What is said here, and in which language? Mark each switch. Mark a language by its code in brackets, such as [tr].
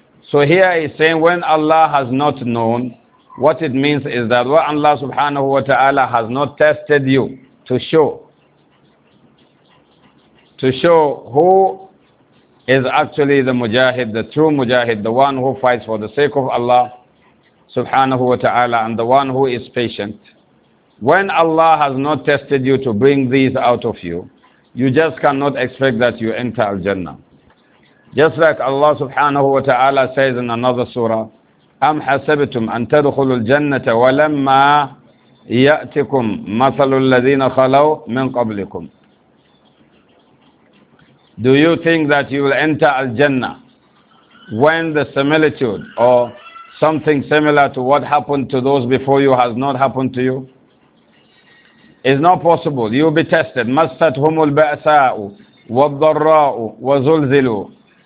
[en] So here he's saying when Allah has not known, what it means is that when Allah subhanahu wa ta'ala has not tested you to show who is actually the mujahid, the true mujahid, the one who fights for the sake of Allah subhanahu wa ta'ala, and the one who is patient. When Allah has not tested you to bring these out of you, you just cannot expect that you enter al-Jannah. Just like Allah subhanahu wa ta'ala says in another surah, [ar] أَمْ حَسَبْتُمْ أَن تَدْخُلُوا الْجَنَّةَ وَلَمَّا يَأْتِكُمْ مَثَلُ الَّذِينَ خَلَوْا مِنْ قَبْلِكُمْ. [en] Do you think that you will enter al-Jannah when the similitude or something similar to what happened to those before you has not happened to you? It's not possible. You will be tested. [ar] مَسَّتْهُمُ الْبَأْسَاءُ وَالضَّرَّاءُ وَزُلْزِلُوا.